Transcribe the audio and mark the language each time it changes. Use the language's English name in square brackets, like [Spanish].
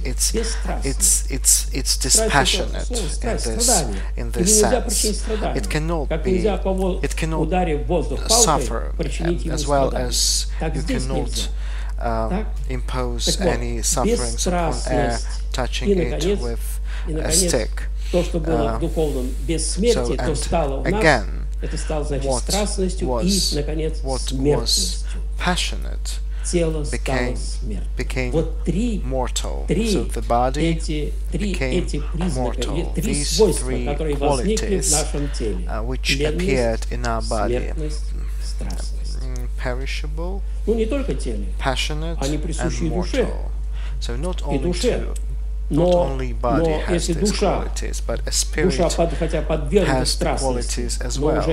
[English] It's dispassionate in this sense. It cannot suffer as well as you cannot impose any sufferings upon air, touching it with a stick. [Russian] То, что было в духовном бессмертии, то стало у нас, [English] again, [Russian] это стало, значит, страстностью и, наконец, смертностью. Тело стало смертным. Вот три, эти признака, три свойства, которые возникли в нашем теле. Тленность, смертность, страстность. Ну, не только теле, они присущи и душе. [English] So not only [Russian] и душе. [English] Not only body has these qualities, but a spirit has the qualities as well.